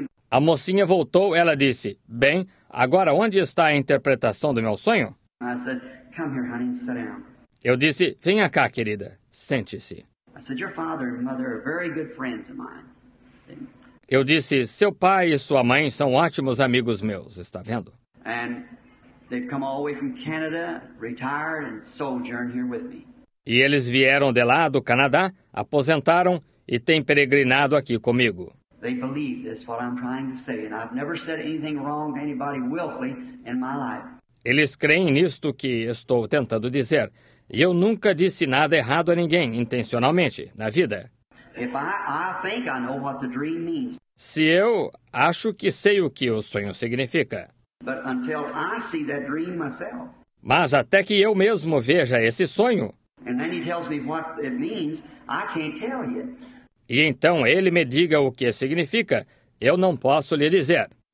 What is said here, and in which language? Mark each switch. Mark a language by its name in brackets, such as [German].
[Portuguese] A mocinha voltou, ela disse, bem, agora onde está a interpretação do meu sonho? [English] I said, come here, honey, sit down. [Portuguese] Eu disse, venha cá, querida, sente-se. [English] I said, your father and mother are very good friends of mine. [Portuguese] Eu disse, seu pai e sua mãe são ótimos amigos meus, está vendo? [English] And they've come all the way from Canada, retired and sojourned here with me. [Portuguese] E eles vieram de lá do Canadá, aposentaram e têm peregrinado aqui comigo. [English] They believe this, what I'm trying to say, and I've never said anything wrong to anybody willfully in my life. [Portuguese] Eles creem nisto que estou tentando dizer, e eu nunca disse nada errado a ninguém, intencionalmente, na vida. [English] If I think I know what the dream means. [Portuguese] Se eu acho que sei o que o sonho significa. [English] But until I see that dream myself. [Portuguese] Mas até que eu mesmo veja esse sonho. [English] And then he tells me what it means, I can't tell you. [Portuguese] E então ele me diga o que significa, eu não posso lhe dizer.